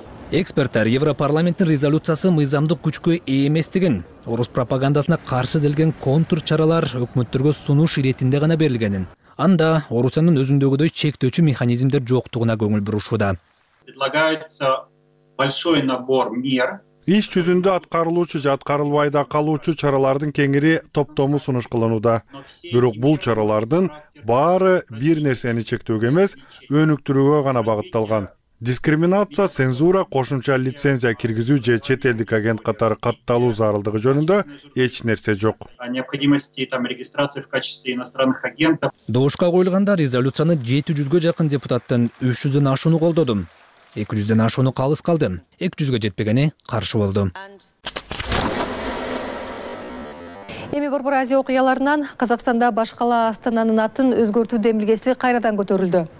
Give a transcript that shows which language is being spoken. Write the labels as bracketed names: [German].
[Kyrgyz] Эксперттер Европарламенттин резолюциясы мыйзамдык күчкө ээ эместигин, орус пропагандасына каршы делген контур чаралар өкмөттөргө сунуш иретинде гана берилгенин, анда Орусиянын өзүндөгүдөй чектөөчү механизмдер жоктугуна көңүл бурушууда. [Russian] Предлагается большой набор мер. [Kyrgyz] Иш жүзүндө аткарылуучу же аткарылбай да калуучу чаралардын кеңири топтому сунуш кылынууда. Бирок бул чаралардын баары бир нерсени чектөөгө эмес, өнүктүрүүгө гана багытталган. Дискриминация, цензура, кошумча лицензия киргизүү же чет элдик агент катары катталуу зарылдыгы жөнүндө эч нерсе жок. [Russian] Необходимости там регистрации в качестве иностранных агентов. [Kyrgyz] Добушка коюлганда резолюцияны 700 жакын депутаттын 300 ашууну колдодум. 200 ашууну калыс калдым. 200 жетпегени каршы болдум. Эми Борбор Азия окуяларынан Казакстанда баш калаа Астананын атын өзгөртүү демилгеси кайрадан көтөрүлдү.